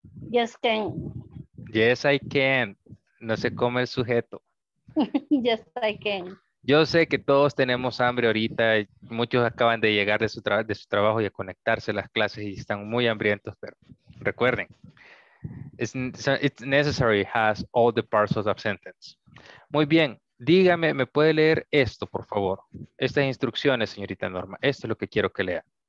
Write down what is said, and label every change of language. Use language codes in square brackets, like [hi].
[en] Yes, can. Yes, I can. [es] No se come el sujeto. [en] Yes, I can. [es] Yo sé que todos tenemos hambre ahorita. Muchos acaban de llegar de su trabajo y de conectarse a las clases y están muy hambrientos, pero recuerden. [en] It's necessary, has all the parts of the sentence. [es] Muy bien, dígame, ¿me puede leer esto, por favor? Estas instrucciones, señorita Norma. Esto es lo que quiero que lea.